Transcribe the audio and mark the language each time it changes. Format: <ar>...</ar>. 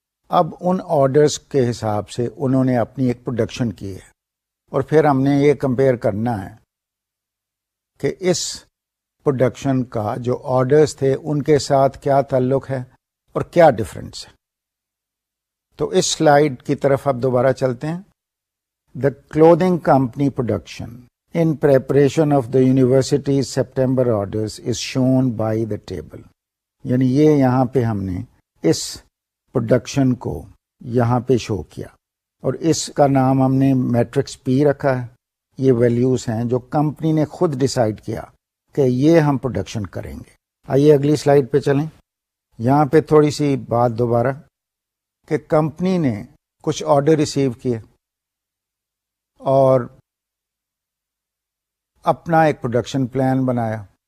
<ur>اب ان آرڈرز کے حساب سے انہوں نے اپنی ایک پروڈکشن کی ہے، اور پھر ہم نے یہ کمپیئر کرنا ہے کہ اس پروڈکشن کا جو آرڈرز تھے ان کے ساتھ کیا تعلق ہے اور کیا ڈفرینس ہے. تو اس سلائیڈ کی طرف اب دوبارہ چلتے ہیں.</ur> <en>The clothing company production in preparation of the university September orders is shown by the table.</en> <ur>یعنی یہاں پہ ہم نے اس پروڈکشن کو یہاں پہ شو کیا، اور اس کا نام ہم نے میٹرکس پی رکھا ہے. یہ ویلیوز ہیں جو کمپنی نے خود ڈیسائیڈ کیا کہ یہ ہم پروڈکشن کریں گے. آئیے اگلی سلائیڈ پہ چلیں. یہاں پہ تھوڑی سی بات دوبارہ کہ کمپنی نے کچھ آرڈر ریسیو کیے اور اپنا ایک پروڈکشن پلان بنایا.</ur>